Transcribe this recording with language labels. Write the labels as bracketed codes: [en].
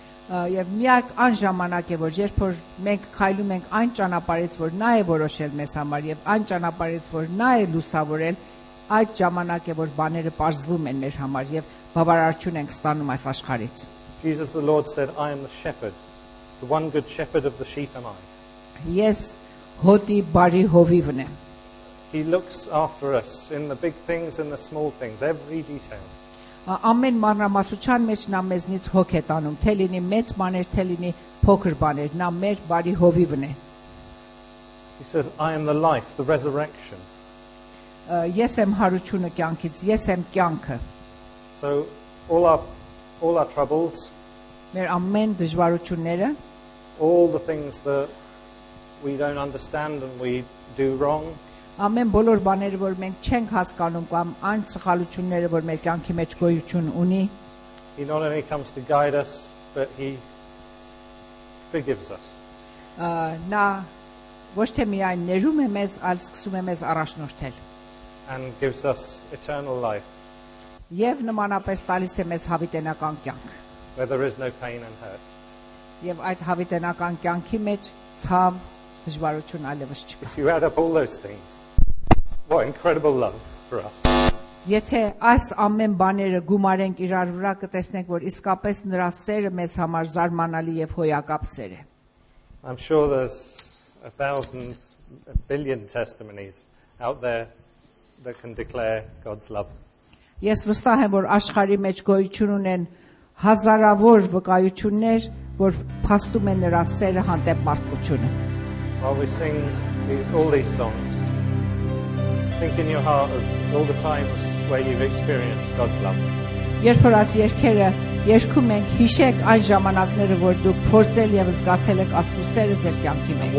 [hy] Եվ միակ այն ժամանակ է որ երբ որ մենք քայլում ենք այն ճանապարից որ նա է որոշել մեզ համար եւ այն ճանապարից որ նա է լուսավորել այդ ժամանակ է որ բաները պարզվում են մեր համար եւ բավարարություն ենք ստանում այս աշխարից։ [en] Jesus the Lord said, I am the shepherd, the one good shepherd of the sheep am I. [hy] Yes, հոտի բարի հովիվն եմ։ [en] He looks after us in the big things and the small things, every detail. [hy] Ամեն մանրամասնության մեջ նա մեզնից հոգ է տանում, թե լինի մեծ բաներ, թե լինի փոքր բաներ, նա մեր բարի հովիվն է։ [en] He says, I am the life, the resurrection. [hy] Ես եմ հարությունը կյանքից, ես եմ կյանքը։ [en] So all our troubles, [hy] մեր ամեն դժվարությունները, [en] all the things that we don't understand and we do wrong, [hy] ամեն բոլոր բաները, որ մենք չենք հասկանում կամ այն սխալությունները, որ մեր կյանքի մեջ գոյություն ունի, [en] he not only comes to guide us, but he forgives us. [hy] Նա ոչ թե միայն ներում է մեզ, այլ սկսում է մեզ առաջնորդել։ [en] And gives us eternal life. [hy] Եվ նմանապես տալիս է մեզ հավիտենական կյանք։ [en] Where there is no pain and hurt. [hy] Եվ այդ հավիտենական կյանքի մեջ ցավ, դժվարություն այլևս չկա։ [en] If you add up all those things, what incredible love for us. [hy] Եթե այս ամեն բաները գումարենք իրար վրա, կտեսնենք, որ իսկապես նրա սերը մեզ համար զարմանալի եւ հոյակապ սեր է։ [en] I'm sure there's a thousand, a billion testimonies out there that can declare God's love. [hy] Ես վստահ եմ, որ աշխարհի մեջ գոյություն ունեն հազարավոր վկայություններ, որ փաստում են նրա սերը հանդեպ մարդկությունը։ [en] While we sing all these songs, think in your heart of all the times where you've experienced God's love. [hy] Երբ որ այս երգերը երգում ենք, հիշեք այն ժամանակները, որ դուք փորձել եւ զգացել եք Աստծո սերը ձեր կյանքի մեջ։